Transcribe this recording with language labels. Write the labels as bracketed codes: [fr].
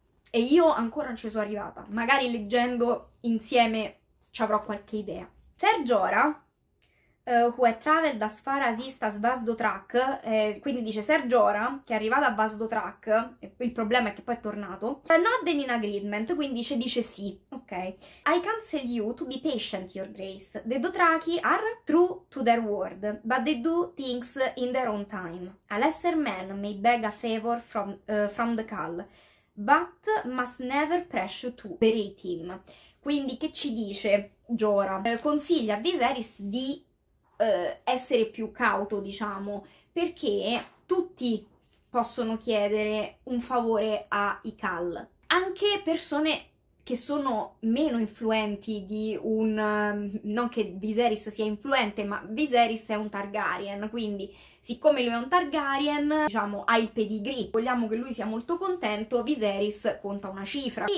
[it] E io ancora non ci sono arrivata. Magari leggendo insieme ci avrò qualche idea. [en] Ser Jorah, who had traveled as far as east as Vasdotrak, [it] quindi dice Ser Jorah, che è arrivato a Vasdotrak, e il problema è che poi è tornato, [en] nodded in agreement, [it] quindi dice sì, ok. [en] I counsel you to be patient, your grace. The Dothraki are true to their word, but they do things in their own time. A lesser man may beg a favor from the Khal, but must never pressure to berate him. [it] Quindi che ci dice Jorah? Consiglia a Viserys di essere più cauto, diciamo, perché tutti possono chiedere un favore ai Khal, anche persone che sono meno influenti di un, non che Viserys sia influente, ma Viserys è un Targaryen, quindi siccome lui è un Targaryen, diciamo, ha il pedigree, vogliamo che lui sia molto contento, Viserys conta una cifra.